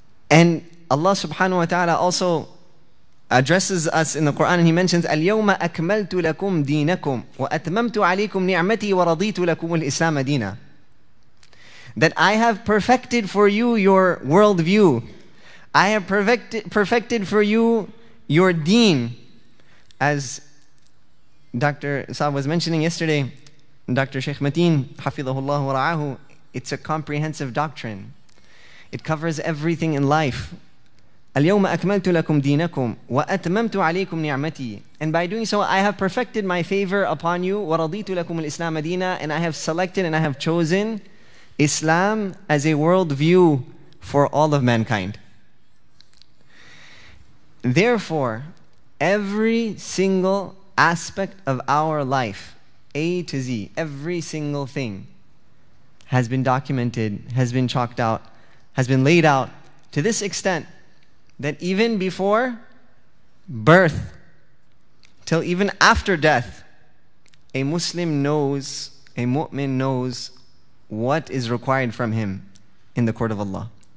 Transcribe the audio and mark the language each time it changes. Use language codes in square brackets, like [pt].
[en] And Allah subhanahu wa ta'ala also addresses us in the Quran, and he mentions, [ar] اليوم أكملت لكم دينكم وأتممت عليكم نعمتي ورضيت لكم الإسلام دينا. [en] That I have perfected for you your worldview. I have perfected for you your deen. As Dr. Saab was mentioning yesterday, Dr. Sheikh Mateen, Hafidhahullah wa ra'ahu, it's a comprehensive doctrine. It covers everything in life. [ar] اليوم أكملت لكم دينكم وأتممت عليكم نعمتي. [en] And by doing so, I have perfected my favor upon you. [ar] ورضيت لكم الإسلام دينا. [en] And I have selected and I have chosen Islam as a worldview for all of mankind. Therefore, every single aspect of our life, A to Z, every single thing has been documented, has been chalked out, has been laid out to this extent that even before birth, till even after death, a Muslim knows, a mu'min knows what is required from him in the court of Allah.